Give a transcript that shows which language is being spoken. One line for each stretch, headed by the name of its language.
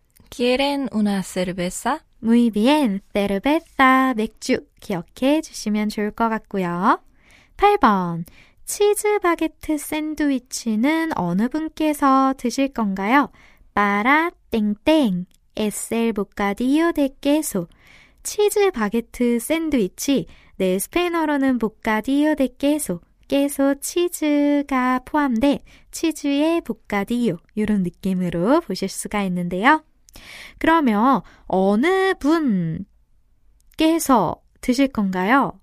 Spanish: Quieren una cerveza? Muy bien. cerveza,
Korean: 맥주. 기억해 주시면 좋을 것 같고요. 8번. 치즈 바게트 샌드위치는 어느 분께서 드실 건가요?
Spanish: para 땡땡. es el bocadillo de queso.
Korean: 치즈 바게트 샌드위치. 네, 스페인어로는 보카디오 데 케소. 케소 치즈가 포함된 치즈의 보카디오. 이런 느낌으로 보실 수가 있는데요. 그러면 어느 분께서 드실 건가요?